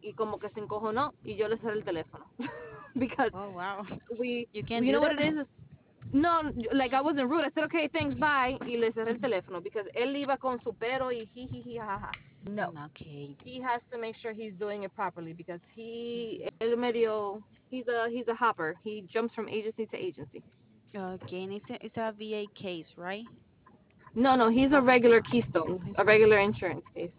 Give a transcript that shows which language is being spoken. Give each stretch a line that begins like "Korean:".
Spanish: Y como que se encojonó y yo le cerré el teléfono.
English: Because you know what it is? No, like I wasn't rude. I said, okay, thanks, bye.
Spanish: Y le cerré el teléfono
English: because
Spanish: él iba con su pero y jajaja. No.
English: Okay. He has to make sure he's doing it properly because he,
Spanish: el medio,
English: he's a hopper. He jumps from agency to agency. Okay, and it's a VA case, right? No, no, he's a regular Keystone, a regular insurance case.